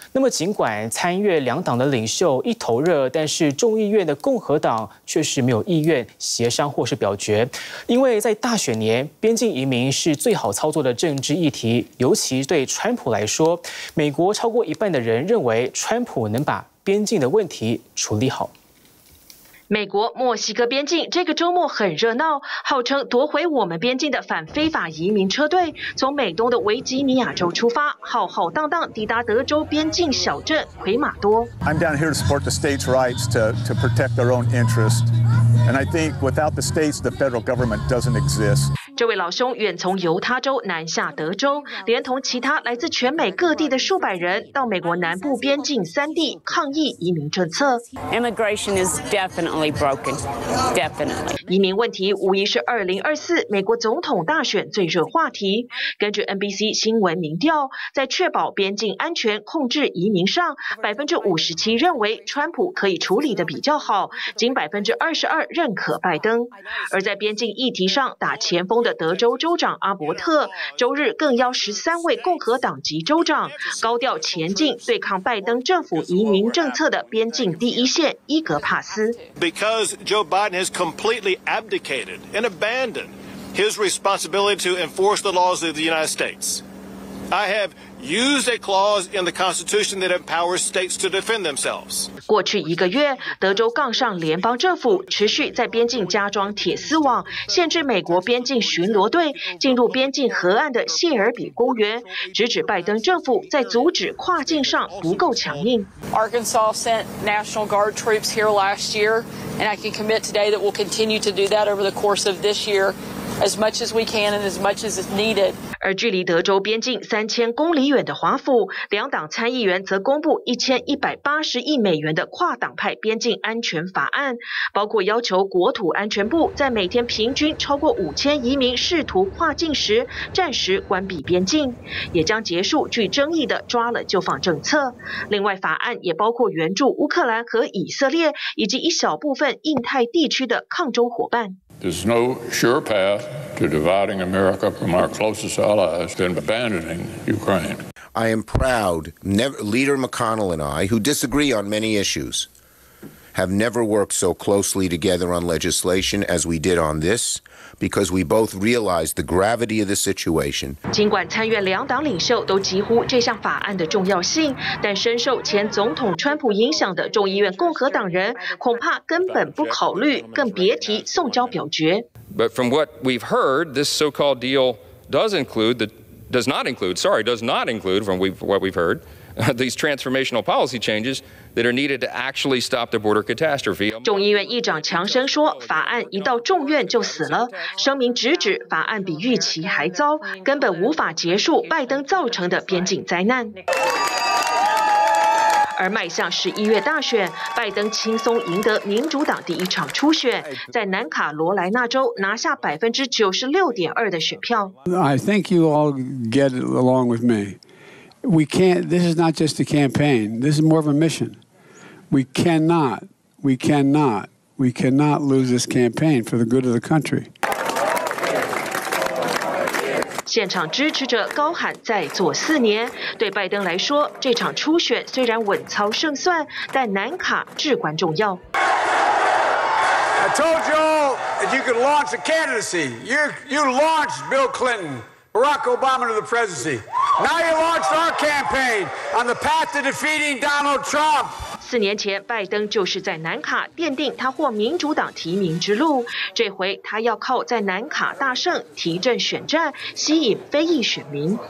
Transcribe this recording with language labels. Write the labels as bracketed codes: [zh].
[zh] 那么尽管参议院两党的领袖一头热，但是众议院的共和党确实没有意愿协商或是表决，因为在大选年边境移民是最好操作的政治议题，尤其对川普来说，美国超过一半的人认为川普能把边境的问题处理好。美国墨西哥边境这个周末很热闹，号称夺回我们边境的反非法移民车队从美东的维吉尼亚州出发，浩浩荡荡抵达德州边境小镇奎马多。 [en] I'm down here to support the state's rights to protect their own interest, and I think without the states, the federal government doesn't exist. [zh] 这位老兄远从犹他州南下德州，连同其他来自全美各地的数百人到美国南部边境三地抗议移民政策。 [en] Immigration is definitely broken. Definitely. [zh] 移民问题无疑是2024美国总统大选最热话题。根据 NBC 新闻民调，在确保边境安全控制移民上，57%认为川普可以处理的比较好，仅22%认可拜登。而在边境议题上打前锋的德州州长阿伯特周日更邀13位共和党籍州长高调前进对抗拜登政府移民政策的边境第一线伊格帕斯。 [en] Because Joe Biden has completely abdicated and abandoned his responsibility to enforce the laws of the United States, I have used a clause in the Constitution that empowers states to defend themselves. [zh] 过去一个月，德州杠上联邦政府，持续在边境加装铁丝网，限制美国边境巡逻队进入边境河岸的谢尔比公园，直指拜登政府在阻止跨境上不够强硬。 [en] Arkansas sent National Guard troops here last year, and I can commit today that we'll continue to do that over the course of this year. As much as we can and as much as is needed. [zh] 而距离德州边境3000公里远的华府，两党参议员则公布1180亿美元的跨党派边境安全法案，包括要求国土安全部在每天平均超过5000移民试图跨境时，暂时关闭边境，也将结束具争议的抓了就放政策。另外，法案也包括援助乌克兰和以色列，以及一小部分印太地区的抗中伙伴。 [en] There's no sure path to dividing America from our closest allies than abandoning Ukraine. I am proud, Leader McConnell and I, who disagree on many issues, have never worked so closely together on legislation as we did on this. Because we both realize the gravity of the situation. [zh] 尽管参院两党领袖都疾呼这项法案的重要性，但深受前总统川普影响的众议院共和党人恐怕根本不考虑，更别提送交表决。 [en] But from what we've heard, this so-called deal does not include, from what we've heard, these transformational policy changes. That are needed to actually stop the border catastrophe. [zh] 众议院议长强生说，法案一到众院就死了，声明直指法案比预期还糟，根本无法结束拜登造成的边境灾难。而迈向11月大选，拜登轻松赢得民主党第一场初选，在南卡罗来纳州拿下96.2%的选票。 [en] I think you all get along with me. We can't, this is not just a campaign, this is more of a mission. We cannot lose this campaign for the good of the country. [zh] 现场支持者高喊再做4年，对拜登来说，这场初选虽然稳操胜算，但南卡至关重要。 [en] I told you all that you could launch a candidacy. You launched Bill Clinton, Barack Obama to the presidency. Now you launched our campaign on the path to defeating Donald Trump. [zh] 四年前，拜登就是在南卡奠定他获民主党提名之路。这回他要靠在南卡大胜、提振选战，吸引非裔选民。